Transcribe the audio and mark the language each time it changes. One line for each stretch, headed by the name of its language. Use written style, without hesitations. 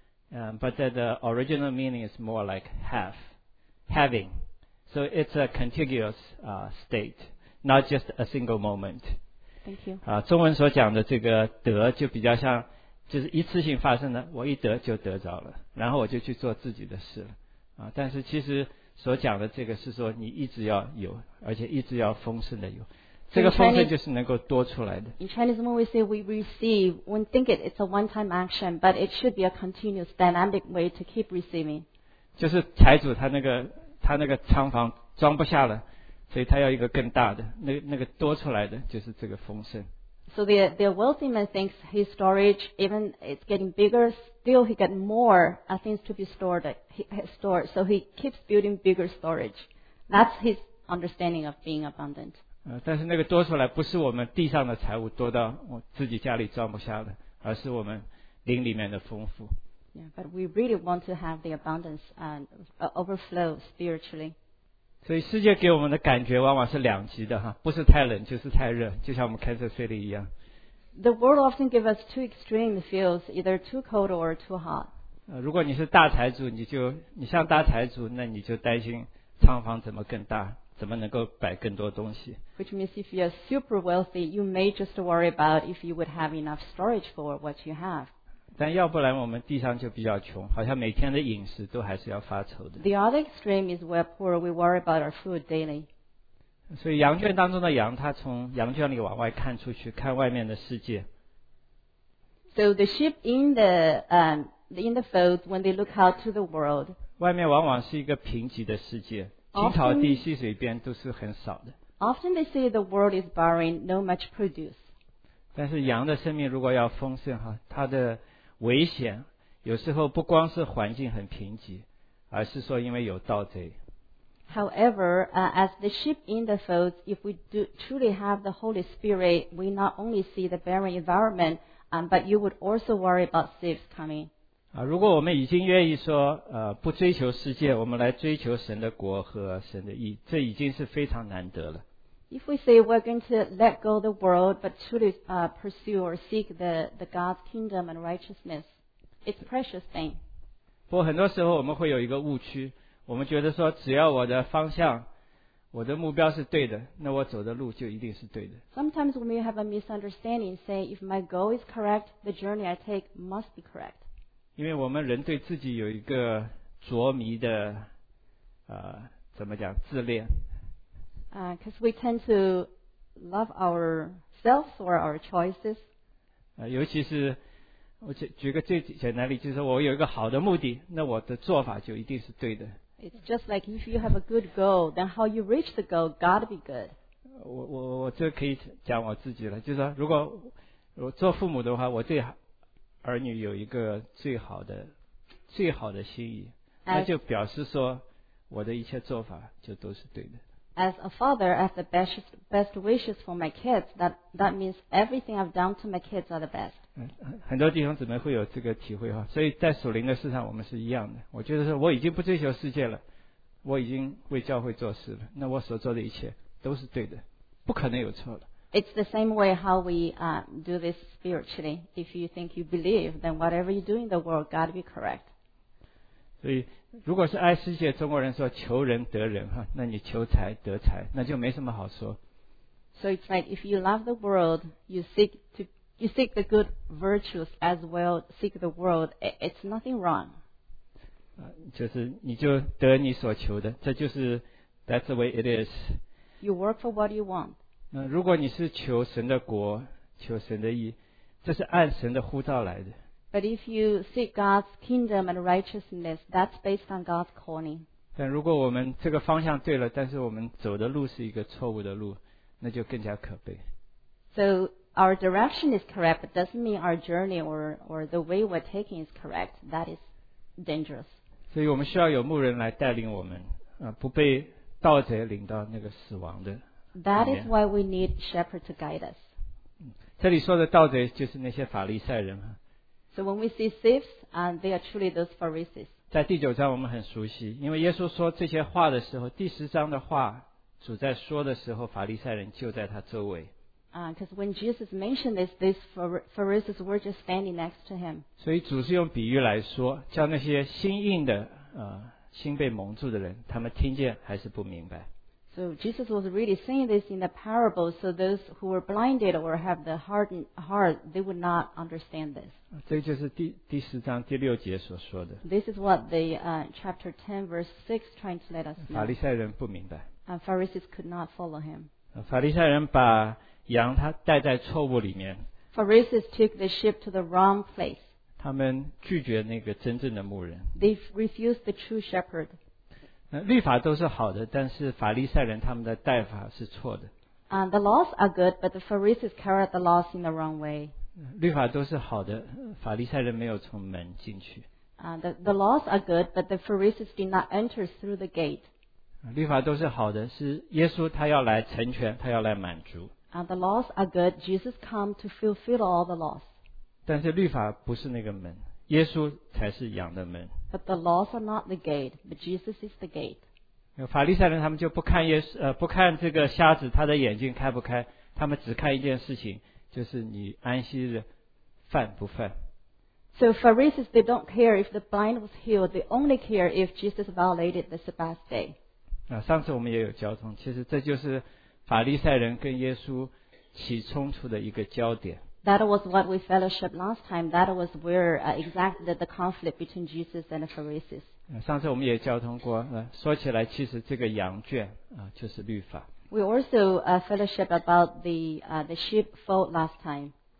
English: But that the original meaning is more like have, having. So it's a contiguous state, not just a single moment. Thank you.
Chinese: 中文所讲的这个得就比较像，就是一次性发生的，我一得就得着了，然后我就去做自己的事了。但是其实所讲的这个是说你一直要有，而且一直要丰盛的有。这个丰盛就是能够多出来的。
English: In Chinese, when we say we receive, we think it's a one-time action, but it should be a continuous, dynamic way to keep receiving.
Chinese: 就是财主他那个仓房装不下了，所以他要一个更大的，那个多出来的就是这个丰盛。
English: So the wealthy man thinks his storage, even it's getting bigger, still he gets more things to be stored. So he keeps building bigger storage. That's his understanding of being abundant.
Chinese: 但是那个多出来不是我们地上的财物多到我自己家里装不下的，而是我们灵里面的丰富。
English: Yeah, but we really want to have the abundance and overflow spiritually.
Chinese: 所以世界给我们的感觉往往是两极的哈，不是太冷就是太热，就像我们 Kansas City 一样。
English: The world often gives us two extreme feels, either too cold or too hot.
Chinese: 如果你是大财主，你像大财主，那你就担心仓房怎么更大，怎么能够摆更多东西。
English: Which means if you're super wealthy, you may just worry about if you would have enough storage for what you have.
Chinese: 但要不然我们地上就比较穷，好像每天的饮食都还是要发愁的。
English: The other extreme is we're poor, we worry about our food daily.
Chinese: 所以羊圈当中的羊，它从羊圈里往外看出去，看外面的世界。
English: So the sheep in the fold, when they look out to the world,
Chinese: 外面往往是一个贫瘠的世界，青草地、溪水边都是很少的。
English: Often they say the world is barren, no much produce.
Chinese: 但是羊的生命如果要丰盛哈，它的危险有时候不光是环境很贫瘠，而是说因为有盗贼。
English: However, as the sheep in the fold, if we do truly have the Holy Spirit, we not only see the barren environment, but you would also worry about thieves coming.
Chinese: 如果我们已经愿意说不追求世界，我们来追求神的国和神的义，这已经是非常难得了。
English: If we say we're going to let go of the world, but truly pursue or seek the God's kingdom and righteousness, it's a precious thing.
Chinese: 不过很多时候我们会有一个误区，我们觉得说只要我的方向，我的目标是对的，那我走的路就一定是对的。
English: Sometimes we may have a misunderstanding, say if my goal is correct, the journey I take must be correct.
Chinese: 因为我们人对自己有一个着迷的怎么讲，自恋。
English: Because we tend to love ourselves or our choices.
Chinese: 尤其是我举个最简单的例子，就是我有一个好的目的，那我的做法就一定是对的。
English: It's just like if you have a good goal, then how you reach the goal gotta be good.
Chinese: 我这可以讲我自己了，就是说如果做父母的话，我对儿女有一个最好的心意，那就表示说我的一切做法就都是对的。
English: As a father, I have the best wishes for my kids. That means everything I've done to my kids are the best.
Chinese: 很多弟兄姊妹会有这个体会哈，所以在属灵的事上我们是一样的。我觉得说我已经不追求世界了，我已经为教会做事了，那我所做的一切都是对的，不可能有错的。
English: It's the same way how we do this spiritually. If you think you believe, then whatever you do in the world, God be correct.
Chinese: 所以如果是爱世界，中国人说求人得人，那你求财得财，那就没什么好说。
English: So it's like if you love the world, you seek the good virtues as well seek the world, it's nothing wrong.
Chinese: 就是你就得你所求的，这就是
English: that's the way it is. You work for what you want.
Chinese: 那如果你是求神的国，求神的义，这是按神的呼召来的。
English: But if you seek God's kingdom and righteousness, that's based on God's calling.
Chinese: 但如果我们这个方向对了，但是我们走的路是一个错误的路，那就更加可悲。
English: So our direction is correct, but doesn't mean our journey or the way we're taking is correct. That is dangerous.
Chinese: 所以我们需要有牧人来带领我们，不被盗贼领到那个死亡的。
English: That is why we need shepherd to guide us.
Chinese: 这里说的盗贼就是那些法利赛人。
English: So when we see thieves, they are truly those Pharisees.
Chinese: 在第九章我们很熟悉，因为耶稣说这些话的时候，第十章的话主在说的时候，法利赛人就在他周围。
English: Because when Jesus mentioned this, these Pharisees were just standing next to him.
Chinese: 所以主是用比喻来说，叫那些心硬的心被蒙住的人，他们听见还是不明白。
English: So Jesus was really saying this in the parable, so those who were blinded or have the hardened heart, they would not understand this.
Chinese: 这就是第十章第六节所说的。
English: This is what the chapter 10 verse 6 trying to let us know.
Chinese: 法利赛人不明白。
English: Pharisees could not follow him.
Chinese: 法利赛人把羊他带在错误里面。
English: Pharisees took the sheep to the wrong place.
Chinese: 他们拒绝那个真正的牧人。
English: They refused the true shepherd.
Chinese: 律法都是好的，但是法利赛人他们的带法是错的。
English: The laws are good, but the Pharisees carried the laws in the wrong way.
Chinese: 律法都是好的，法利赛人没有从门进去。
English: The laws are good, but the Pharisees did not enter through the gate.
Chinese: 律法都是好的，是耶稣他要来成全，他要来满足。
English: The laws are good. Jesus came to fulfill all the laws.
Chinese: 但是律法不是那个门，耶稣才是羊的门。
English: But the laws are not the gate, but Jesus is the gate.
Chinese: 法利赛人他们就不看耶稣，不看这个瞎子他的眼睛开不开，他们只看一件事情，就是你安息日犯不犯。
English: So Pharisees, they don't care if the blind was healed. They only care if Jesus violated the Sabbath day.
Chinese: 上次我们也有交通，其实这就是法利赛人跟耶稣起冲突的一个焦点。
English: That was what we fellowshiped last time. That was where exactly the conflict between Jesus and the Pharisees.
Chinese: 上次我们也交通过，说起来其实这个羊圈就是律法。
English: We also fellowshiped about the sheepfold last time.